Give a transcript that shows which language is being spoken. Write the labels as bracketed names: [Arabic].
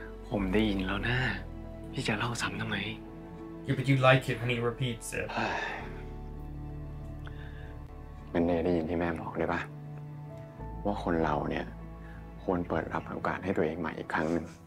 [Thai] ผมได้ยินแล้วนะพี่จะเล่าซ้ำทำไม [English] Yeah, but you like it when he repeats it [Thai] มันเนยได้ยินที่แม่บอกได้ป่ะว่าคนเราเนี่ยควรเปิดรับโอกาสให้ตัวเองใหม่อีกครั้งหนึ่ง